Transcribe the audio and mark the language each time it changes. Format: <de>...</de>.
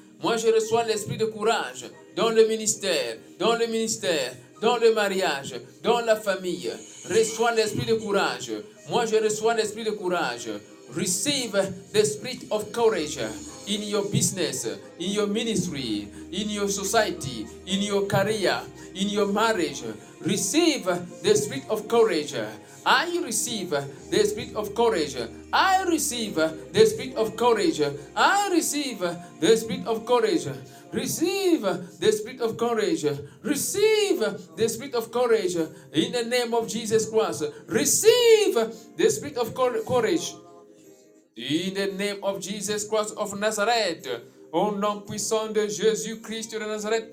<fr>Moi, je reçois l'esprit de courage dans le ministère, dans le ministère, dans le mariage, dans la famille. Reçois l'esprit de courage. Moi, je reçois l'esprit de courage.</fr> <en>Receive the spirit of courage in your business, in your ministry, in your society, in your career, in your marriage. Receive the spirit of courage. I receive the spirit of courage. I receive the spirit of courage. I receive the spirit of courage. Receive the spirit of courage. Receive the spirit of courage in the name of Jesus Christ. Receive the spirit of courage in the name of Jesus Christ of Nazareth.</en> <fr>Au nom puissant de Jésus Christ de Nazareth.</fr>